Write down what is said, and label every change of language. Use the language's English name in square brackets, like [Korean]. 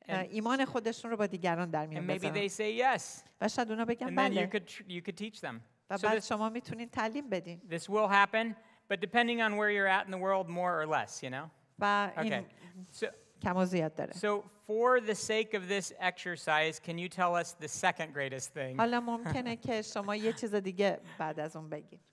[Persian] ایمان خودشون رو با دیگران در میون بذارن. و شاید اونا بگن بله. [English] You could teach them. [Persian] و بعد شما میتونین تعلیم بدین. [English] This will happen, but depending on where you're at in the world, more or less, you know. Okay. [Persian] So کم و زیاد داره. [English] So for the sake of this exercise, can you tell us the second greatest thing? [Persian] حالا ممکنه که شما یه چیز دیگه بعد از اون بگین.